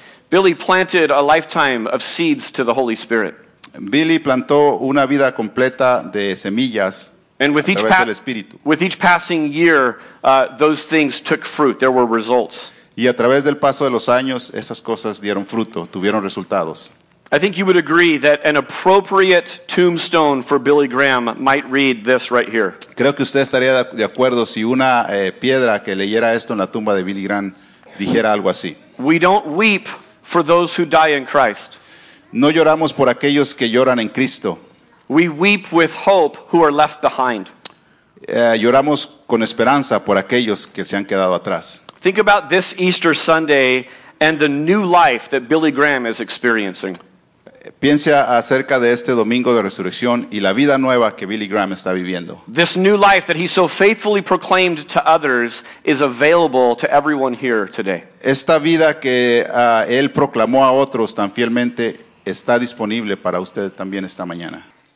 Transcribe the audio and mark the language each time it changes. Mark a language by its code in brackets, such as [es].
[en] Billy planted a lifetime of seeds to the Holy Spirit. [es] Billy plantó una vida completa de semillas. [en] And with each passing year, those things took fruit. There were results. [es] Y a través del paso de los años, esas cosas dieron fruto, tuvieron resultados. [en] I think you would agree that an appropriate tombstone for Billy Graham might read this right here. [es] Creo que usted estaría de acuerdo si una piedra que leyera esto en la tumba de Billy Graham dijera algo así. [en] We don't weep for those who die in Christ. [es] No lloramos por aquellos que lloran en Cristo. [en] We weep with hope who are left behind. [es] Lloramos con esperanza por aquellos que se han quedado atrás. [en] Think about this Easter Sunday and the new life that Billy Graham is experiencing. [es] Piensa acerca de este domingo de resurrección y la vida nueva que Billy Graham está viviendo. [en] This new life that he so faithfully proclaimed to others is available to everyone here today. [es] Esta vida que él proclamó a otros tan fielmente está disponible para usted también esta mañana.